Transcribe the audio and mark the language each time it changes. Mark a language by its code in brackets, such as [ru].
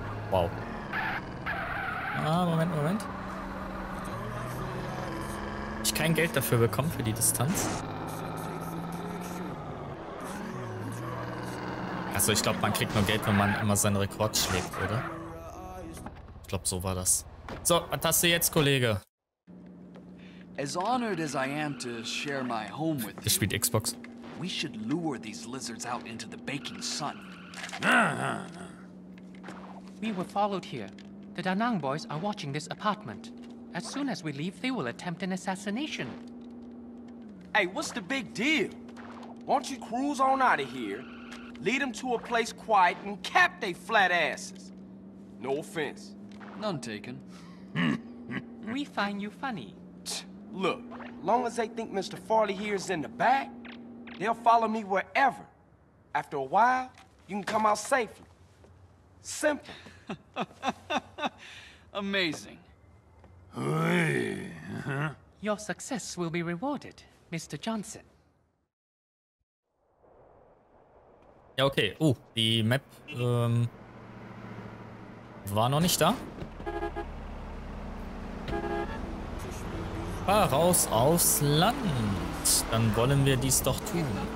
[de] Wow. Ah, Moment, Moment. Ich kein Geld dafür bekommen für die Distanz. Also ich glaube, man kriegt nur Geld, wenn man immer seinen Rekord schlägt, oder? Ich glaube, so war das. So, was hast du jetzt, Kollege? [en] As honored as I am to share my home with you. [de] Ich spiele Xbox. [en] We should lure these lizards out into the baking sun. We were followed here. The Da Nang boys are watching this apartment. As soon as we leave, they will attempt an assassination. Hey, what's the big deal? Won't you cruise on out of here, lead them to a place quiet and cap they flat asses? No offense. None taken. We find you funny. Look, long as they think Mr. Farley here is in the back, they'll follow me wherever. After a while, you can come out safely. Simple. Amazing. Your success will be rewarded, Mr. Johnson. [de] Ja, okay. Die Map war noch nicht da. Ah, raus aufs Land. Dann wollen wir dies doch tun.